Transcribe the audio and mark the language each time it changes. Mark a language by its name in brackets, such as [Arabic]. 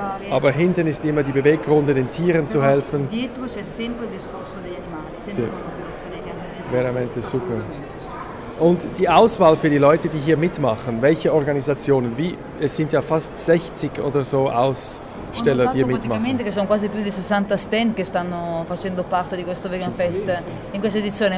[German] Aber hinten ist immer die Beweggründe, den Tieren zu helfen. [Italian] Dietro c'è sempre il discorso degli animali, sempre la motivazione che hanno bisogno. Veramente super. [German] Und die Auswahl für die Leute, die hier mitmachen, welche Organisationen? Wie, es sind ja fast 60 oder so Aussteller, [Italian] notato, [German] die hier mitmachen. [Italian] Praticamente che sono quasi più di 60 stand che stanno facendo parte di questo Vegan Fest in questa edizione.